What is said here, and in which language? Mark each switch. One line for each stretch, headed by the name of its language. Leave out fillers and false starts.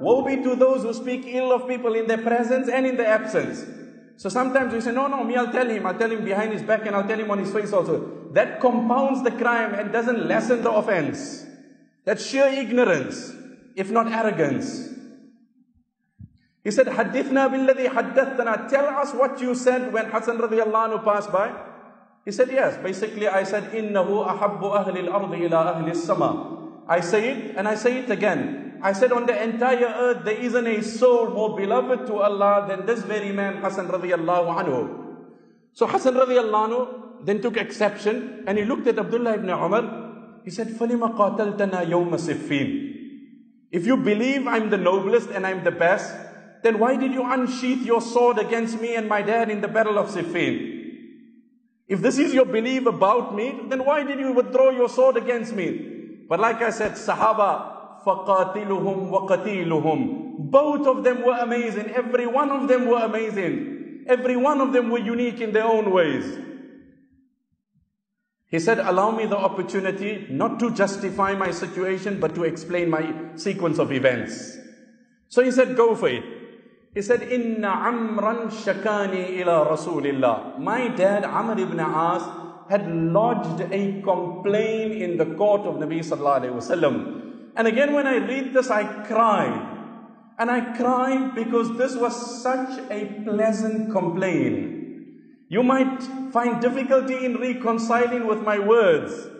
English: Woe be to those who speak ill of people in their presence and in their absence. So sometimes we say, no, me, I'll tell him behind his back and I'll tell him on his face also. That compounds the crime and doesn't lessen the offense. That's sheer ignorance, if not arrogance. He said,
Arabic: حَدِّثْنَا بِالَّذِي حَدَّثْتَنَا.
English: Tell us what you said when Hassan radiallahu anhu passed by. He said, yes, basically I said,
Arabic: إِنَّهُ أَحَبُّ أَهْلِ الْأَرْضِ إِلَىٰ أَهْلِ السَّمَاءِ.
English: I say it and I say it again. I said, on the entire earth, there isn't a soul more beloved to Allah than this very man, Hassan radiallahu anhu. So Hassan radiallahu anhu then took exception and he looked at Abdullah ibn Umar. He said,
Arabic: فَلِمَ قَاتَلْتَنَا يَوْمَ سِفِّينَ.
English: If you believe I'm the noblest and I'm the best, then why did you unsheath your sword against me and my dad in the battle of Siffin? If this is your belief about me, then why did you withdraw your sword against me? But like I said, Sahaba,
Arabic: فَقَاتِلُهُمْ وَقَتِيلُهُمْ.
English: Both of them were amazing. Every one of them were amazing. Every one of them were unique in their own ways. He said, allow me the opportunity not to justify my situation, but to explain my sequence of events. So he said, go for it. He said,
Arabic: إِنَّ عَمْرًا شَكَانِي إِلَىٰ رَسُولِ اللَّهِ.
English: My dad, Amr ibn As, had lodged a complaint in the court of Nabi sallallahu alayhi wasallam. And again, when I read this, I cry. And I cry because this was such a pleasant complaint. You might find difficulty in reconciling with my words.